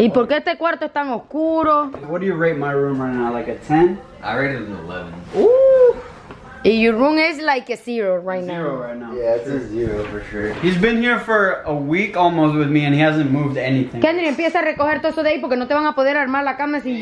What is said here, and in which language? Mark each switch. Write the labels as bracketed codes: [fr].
[es] ¿Y por qué este cuarto es tan oscuro? [en] What do you rate my room right now? Like a 10? I rate it an 11. Ooh. Your room is like a zero right now. Yeah, it's a zero for sure. He's been here for a week almost with me and he hasn't moved anything. [es] Kendry, empieza a recoger todo eso de ahí porque no te van a poder armar la cama si